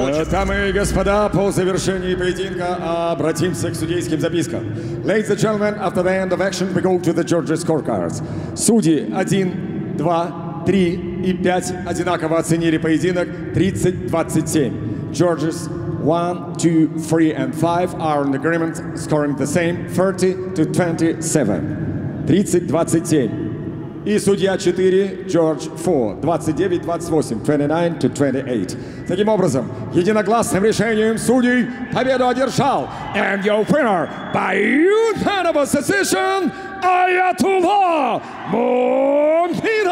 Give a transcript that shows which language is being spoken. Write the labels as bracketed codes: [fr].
[ru] Дамы и господа, по завершении поединка обратимся к судейским запискам. [en] Ladies and gentlemen, after the end of action, we go to the judges' scorecards. [ru] Судьи 1, 2, 3 и 5 одинаково оценили поединок 30-27. [en] Judges 1, 2, 3 and 5 are in agreement, scoring the same 30-27. [ru] И судья 4, Джордж 4, 29-28, 29-28. Таким образом, единогласным решением судей победу одержал. [en] And your winner by unanimous decision, Аятуллах Мумпинов!